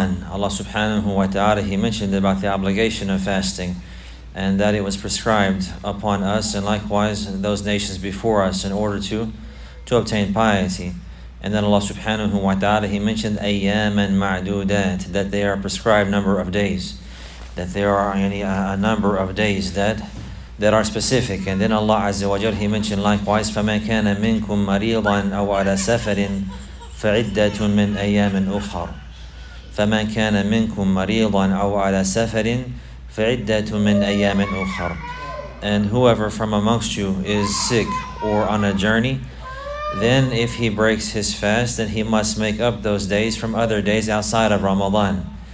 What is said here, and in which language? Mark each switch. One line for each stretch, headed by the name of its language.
English: Allah subhanahu wa ta'ala, he mentioned about the obligation of fasting and that it was prescribed upon us and likewise those nations before us in order to obtain piety. And then Allah subhanahu wa ta'ala, he mentioned ayyam and ma'dudat, that they are prescribed number of days, that there are a number of days that are specific. And then Allah Azza wa Jal, he mentioned likewise,
Arabic: فَمَنْ كَانَ مِنْكُمْ مَرِيضًا أَوْ عَلَى سَفَرٍ فَعِدَّةٌ مِنْ أَيَّامٍ أُخَرٍ فَمَنْ كَانَ مِنْكُمْ مَرِيضًا أَوْ عَلَى سَفَرٍ فَعِدَّةٌ مِنْ أَيَّامٍ أُخَرٍ.
English: And whoever from amongst you is sick or on a journey, then if he breaks his fast, then he must make up those days from other days outside of Ramadan.